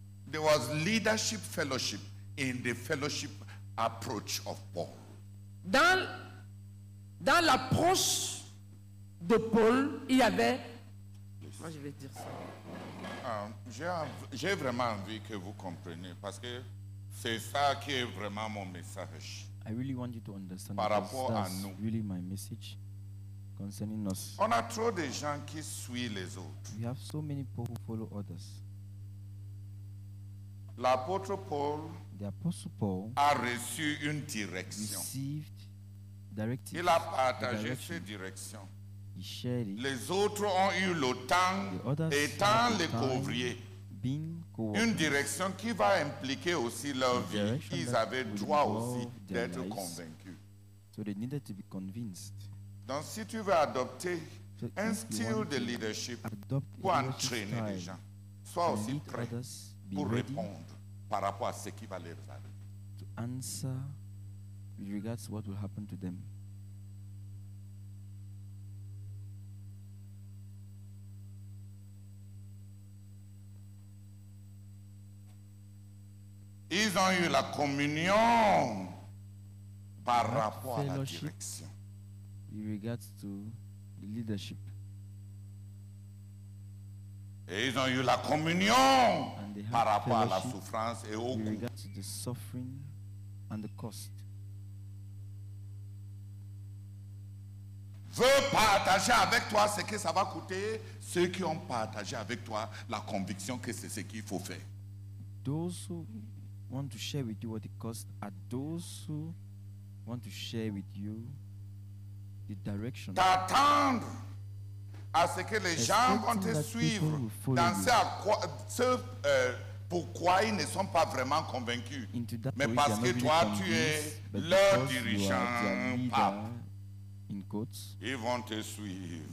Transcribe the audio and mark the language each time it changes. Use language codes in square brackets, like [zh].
[en] There was leadership fellowship in the fellowship approach of Paul. [fr] Dans dans l'approche de Paul, il y avait... Moi, je vais dire ça. J'ai vraiment envie que vous compreniez, parce que c'est ça qui est vraiment mon message. [en] I really want you to understand. [fr] Par rapport à nous. [en] Really my message concerning us. [fr] On a trop de gens qui suivent les autres. [en] We have so many people who follow others. [fr] L'apôtre Paul, [en] the Apostle Paul, [fr] a reçu une direction. [en] Received directive. [fr] Il a partagé cette direction. [en] He shared it. [fr] Les autres ont eu le temps, étant les couvriers, une direction qui va impliquer aussi leur vie. Ils avaient droit aussi d'être convaincus. [en] So they needed to be convinced. [fr] Donc si tu veux adopter un style de leadership pour entraîner les gens, sois aussi prêt pour répondre par rapport à ce qui va leur arriver. [en] To answer with regards to what will happen to them. [fr] Ils ont eu la communion par rapport à la direction. [en] With regards to the leadership. [fr] Et ils ont eu la communion par rapport à la souffrance et au coût. [en] With regards to the suffering and the cost. [fr] Veux partager avec toi ce que ça va coûter, ceux qui ont partagé avec toi la conviction que c'est ce qu'il faut faire. [en] Those who want to share with you what it costs are those who want to share with you the direction. [fr] T'attendre à ce que les gens vont te suivre dans ce, pourquoi ils ne sont pas vraiment convaincus, mais parce que toi tu es leur dirigeant, pape. [en] In quotes, [fr] ils vont te suivre.